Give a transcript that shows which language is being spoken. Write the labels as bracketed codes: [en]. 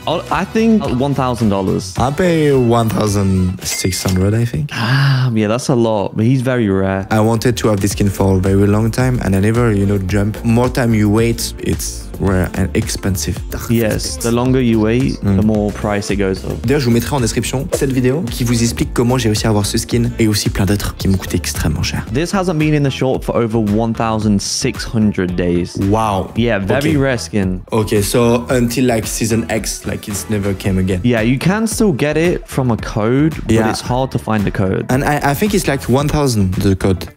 [en] I think $1,000. I pay 1,600, I think. Yeah, that's a lot, but he's very rare. I wanted to have this skin for a very long time, and I never, you know, jump. More time you wait, it's rare and expensive. Yes, the longer you wait, the more price it goes up. [fr] D'ailleurs, je vous mettrai en description cette vidéo qui vous explique comment j'ai réussi à avoir ce skin et aussi plein d'autres qui m'ont coûté extrêmement cher. [en] This hasn't been in the shop for over 1,600 days. Wow. Yeah, very rare skin. Okay, so until like season X, like it's never came again. Yeah, you can still get it from a code, but it's hard to find the code. And I think it's like 1,000, the code.